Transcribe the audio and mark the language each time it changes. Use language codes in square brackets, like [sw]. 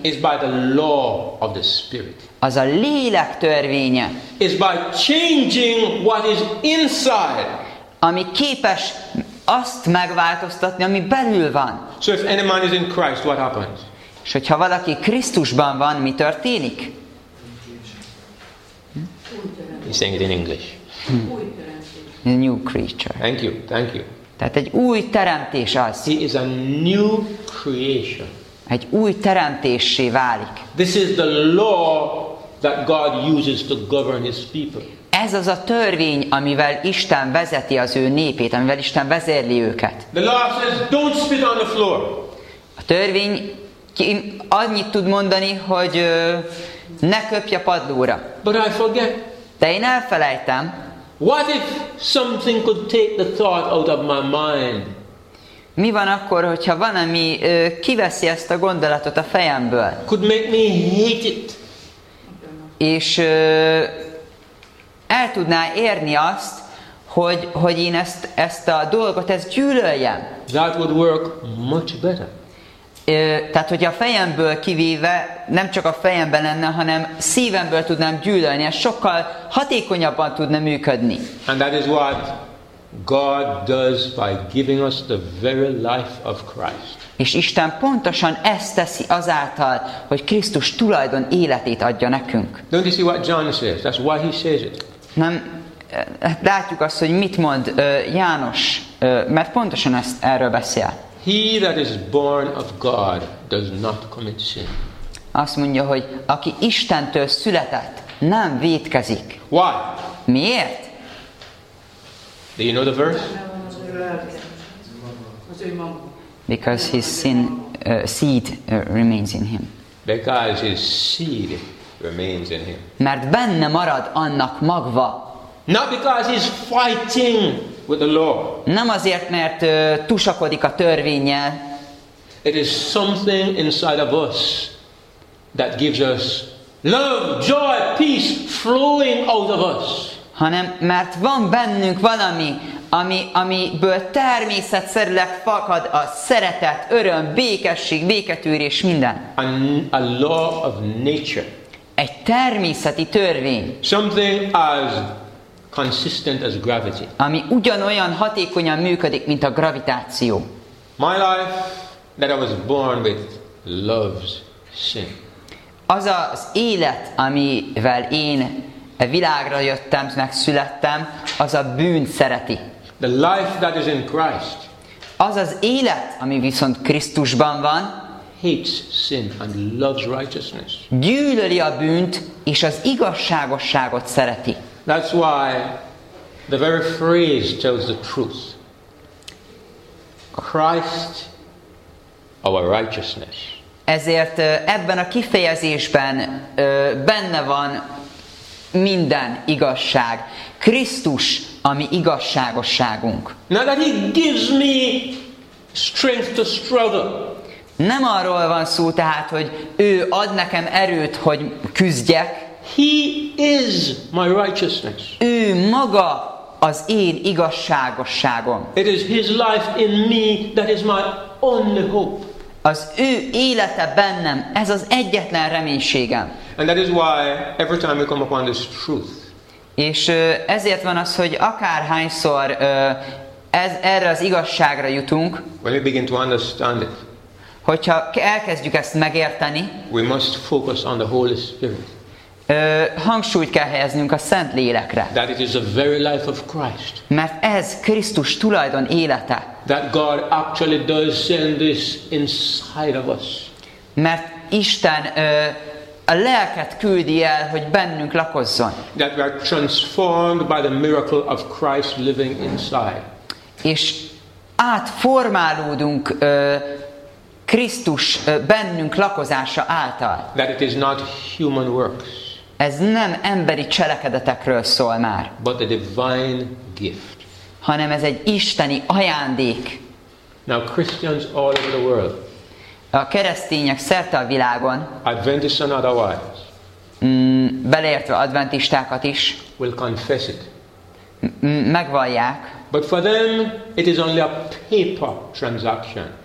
[en] is by the law of the spirit. [hu] Az a lélek törvénye. [en] Is by changing what is inside. [hu] Ami képes azt megváltoztatni, ami belül van. [en] So if any man is in Christ, what happens? [hu] És hogyha valaki Krisztusban van, mi történik? [en] He's saying it in English. A new creature. Thank you. [hu] Tehát egy új teremtés az. [en] He is a new creation. [hu] Egy új teremtéssé válik. [en] This is the law that God uses to govern his people. [hu] Ez az a törvény, amivel Isten vezeti az ő népét, amivel Isten vezérli őket. [en] The law says, don't spit on the floor. [hu] A törvény annyit tud mondani, hogy ne köpj a padlóra. [en] But I forget. [hu] De én elfelejtem. [en] What if something could take the thought out of my mind? [hu] Mi van akkor, hogyha van, ami kiveszi ezt a gondolatot a fejemből? [en] Could make me hate it. [hu] És el tudná érni azt, hogy én ezt a dolgot, ezt gyűlöljem. [en] That would work much better. [hu] Tehát, hogy a fejemből kivéve, nem csak a fejemben lenne, hanem szívemből tudnám gyűlölni, ez sokkal hatékonyabban tudna működni. [en] And that is what God does by giving us the very life of Christ. [hu] És Isten pontosan ezt teszi azáltal, hogy Krisztus tulajdon életét adja nekünk. [en] Don't you see what John says? That's why he says it. [hu] Nem, látjuk azt, hogy mit mond János, mert pontosan ezt erről beszél. [en] He that is born of God does not commit sin. [hu] Azt mondja, hogy aki Istentől született, nem vétkezik. [en] Why? [hu] Miért? [en] Do you know the verse? Because his sin seed remains in him. Because his seed remains in him. [hu] Mert benne marad annak magva. [en] Not because he's fighting with the law. [hu] Nem azért, mert tusakodik a törvénnyel. [en] It is something inside of us that gives us love, joy, peace flowing out of us. [hu] Hanem mert van bennünk valami, amiből természetszerűleg fakad a szeretet, öröm, békesség, béketűrés, minden. [en] A law of nature. [hu] Egy természeti törvény. [en] Something as consistent as gravity. [hu] Ami ugyanolyan hatékonyan működik, mint a gravitáció. [en] My life that I was born with loves sin. [hu] Az az élet, amivel én világra jöttem, megszülettem, az a bűn szereti. [en] The life that is in Christ. [hu] Az az élet, ami viszont Krisztusban van, [en] hates sin and loves righteousness. [hu] Gyűlöli a bűnt és az igazságosságot szereti. [en] That's why the very phrase tells the truth. Christ, our righteousness. [hu] Ezért ebben a kifejezésben benne van minden igazság. Krisztus, ami igazságosságunk. [en] Now that he gives me strength to struggle. [hu] Nem arról van szó tehát, hogy ő ad nekem erőt, hogy küzdjek. [en] He is my righteousness. [hu] Ő maga az én igazságosságom. [en] It is his life in me that is my only hope. [hu] Az ő élete bennem, ez az egyetlen reménységem. [en] And that is why every time we come upon this truth. [hu] És ezért van az, hogy akárhányszor erre az igazságra jutunk, [en] when we begin to understand it, [hu] hogyha elkezdjük ezt megérteni, [en] we must focus on the Holy Spirit. [hu] Hangsúlyt kell helyeznünk a Szent Lélekre. [en] That it is the very life of Christ. [hu] Mert ez Krisztus tulajdon élete. [en] That God actually does send this inside of us. [hu] Mert Isten a lelket küldi el, hogy bennünk lakozzon. [en] That we are transformed by the miracle of Christ living inside. [hu] És átformálódunk Krisztus bennünk lakozása által. [en] That it is not human works. [hu] Ez nem emberi cselekedetekről szól már. [en] But a divine gift. [hu] Hanem ez egy isteni ajándék. [en] Now Christians all over the world. [hu] A keresztények szerte a világon. [en] Adventists and otherwise. [hu] Beleértve adventistákat is. [en] Will confess it. [hu] Megvallják. [en] But for them it is only a paper transaction.